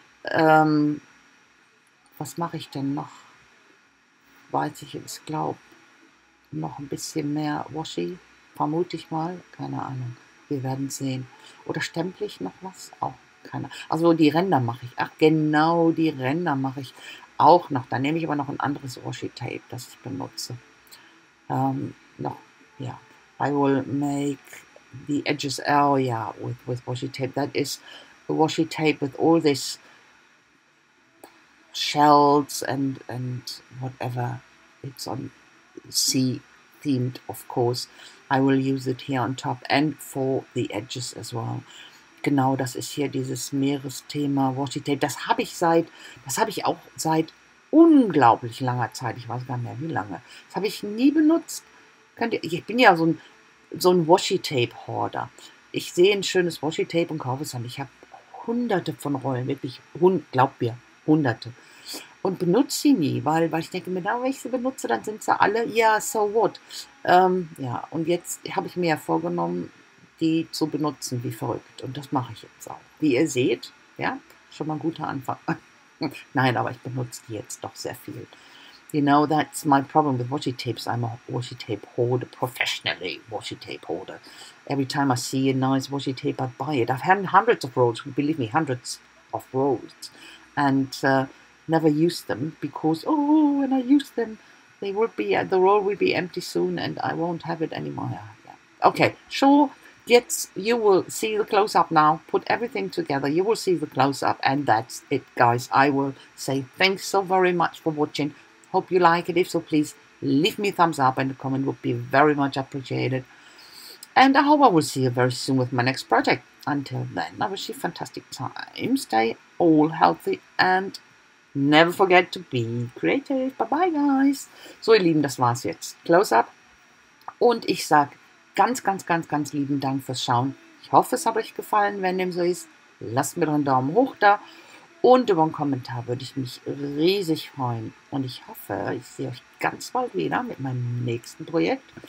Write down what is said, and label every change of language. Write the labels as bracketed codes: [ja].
[de] Was mache ich denn noch? Weiß ich, ich glaube, noch ein bisschen mehr Washi, vermute ich mal. Keine Ahnung. Wir werden sehen. Oder stemple ich noch was? Auch keine Ahnung. Also die Ränder mache ich. Ach, genau, die Ränder mache ich auch noch. Da nehme ich aber noch ein anderes Washi-Tape, das ich benutze. Noch, ja. [en] I will make the edges, oh yeah, with washi tape. That is washi tape with all these shells and whatever. It's on sea themed, of course. I will use it here on top and for the edges as well. [de] Genau, das ist hier dieses Meeresthema, washi tape. Das habe ich auch seit unglaublich langer Zeit. Ich weiß gar nicht mehr, wie lange. Das habe ich nie benutzt. Ich bin ja so ein Washi-Tape-Hoarder. Ich sehe ein schönes Washi-Tape und kaufe es dann. Ich habe hunderte von Rollen, wirklich, glaub mir, hunderte. Und benutze sie nie, weil ich denke mir, na, wenn ich sie benutze, dann sind sie alle, ja, [en] yeah, so what. [de] Ja, und jetzt habe ich mir ja vorgenommen, die zu benutzen, wie verrückt. Und das mache ich jetzt auch. Wie ihr seht, ja, schon mal ein guter Anfang. Nein, aber ich benutze die jetzt doch sehr viel. [en] You know, that's my problem with washi tapes. I'm a washi tape hoarder, professionally washi tape hoarder. Every time I see a nice washi tape, I buy it. I've had hundreds of rolls, believe me, hundreds of rolls, and never used them because, oh, when I use them, they will be the roll will be empty soon, and I won't have it anymore. Yeah. Okay, sure. Yet you will see the close up now. Put everything together. You will see the close up, and that's it, guys. I will say thanks so very much for watching. Hope you like it. If so, please leave me a thumbs up and a comment would be very much appreciated. And I hope I will see you very soon with my next project. Until then, I wish you a fantastic time. Stay all healthy and never forget to be creative. Bye-bye, guys. [de] So, ihr Lieben, das war's jetzt. [en] Close up. [de] Und ich sag ganz, ganz, ganz, ganz lieben Dank fürs Schauen. Ich hoffe, es hat euch gefallen. Wenn dem so ist, lasst mir doch einen Daumen hoch da. Und über einen Kommentar würde ich mich riesig freuen. Und ich hoffe, ich sehe euch ganz bald wieder mit meinem nächsten Projekt.